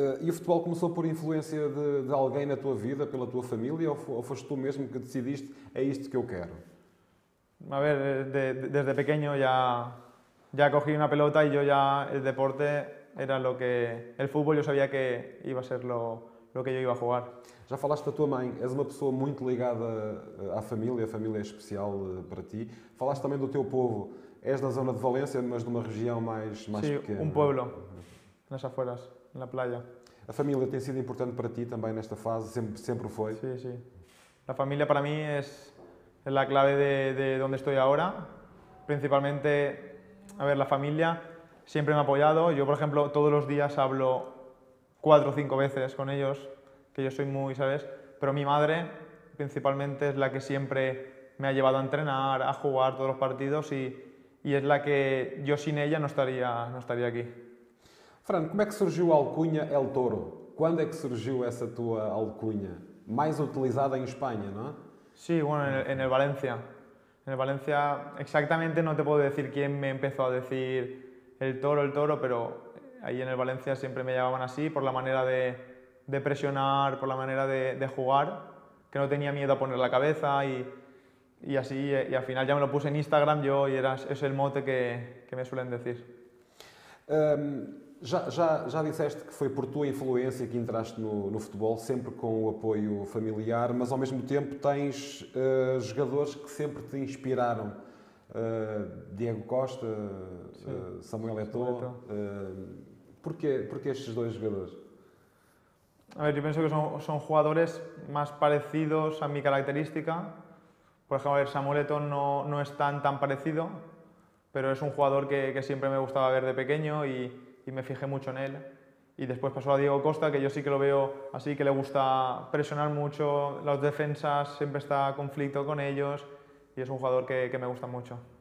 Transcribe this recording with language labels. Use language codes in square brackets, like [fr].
[es] ¿Y el futebol comenzó por influencia de alguien en tu vida, por tu familia, o fuiste tú mismo que decidiste, es esto que yo quiero? A ver, desde pequeño ya cogí una pelota y yo ya el deporte era lo que... El fútbol yo sabía que iba a ser lo que yo iba a jugar. [pt] Já falaste da tua mãe, és uma pessoa muito ligada à família, a família é especial para ti. Falaste também do teu povo, és da zona de Valência, mas de uma região mais [es] sí, [pt] pequena. Sim, um pueblo, nas afueras, na playa. A família tem sido importante para ti também nesta fase, sempre foi? Sim, sí, sim. Sí. A família para mim é a clave de onde estou agora. Principalmente, a ver, a família sempre [es] me ha apoiado. [pt] Eu, por exemplo, todos os dias hablo 4 ou 5 vezes com eles. [es] Que yo soy muy, ¿sabes? Pero mi madre principalmente es la que siempre me ha llevado a entrenar, a jugar todos los partidos y es la que yo sin ella no estaría aquí. Fran, ¿cómo es que surgió alcunha El Toro? ¿Cuándo es que surgió esa tua alcunha? Más utilizada en España, ¿no? Sí, bueno, en el Valencia. En el Valencia exactamente no te puedo decir quién me empezó a decir el Toro, pero ahí en el Valencia siempre me llamaban así por la manera de presionar, por la manera de jugar, que no tenía miedo a poner la cabeza y así, y al final ya me lo puse en Instagram yo y es el mote que me suelen decir. [pt] Já disseste que foi por tua influência que entraste no futebol, sempre com o apoio familiar, mas ao mesmo tempo tens jogadores que sempre te inspiraram. Diego Costa, sí. Samuel Eto'o. Porquê estes dois jogadores? [es] A ver, yo pienso que son jugadores más parecidos a mi característica. Por ejemplo, a ver, Samuel Eto'o no es tan parecido, pero es un jugador que siempre me gustaba ver de pequeño y me fijé mucho en él. Y después pasó a Diego Costa, que yo sí que lo veo así, que le gusta presionar mucho, las defensas, siempre está en conflicto con ellos, y es un jugador que me gusta mucho.